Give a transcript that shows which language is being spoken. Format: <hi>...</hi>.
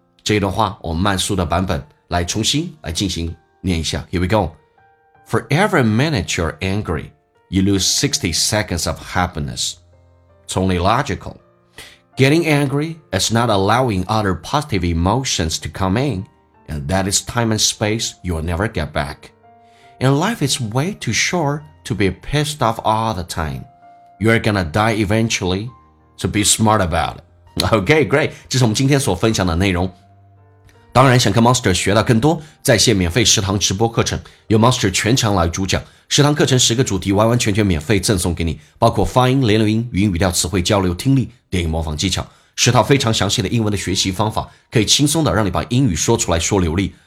<zh>这一段话我们慢速的版本来重新来进行念一下。</zh> <en>Here we go. For every minute you're angry, you lose 60 seconds of happiness. It's only logical. Getting angry is not allowing other positive emotions to come in, and that is time and space you'll never get back. And life is way too short to be pissed off all the time. You're gonna die eventually, so be smart about it. Okay, great.</en> <zh>这是我们今天所分享的内容。当然想跟 Monster 学到更多，在线免费食堂直播课程，由 Monster 全程来主讲。食堂课程十个主题完完全全免费赠送给你，包括发音、连读音、语音语调、词汇交流、听力、电影模仿技巧，十套非常详细的英文的学习方法，可以轻松的让你把英语说出来说流利。</zh>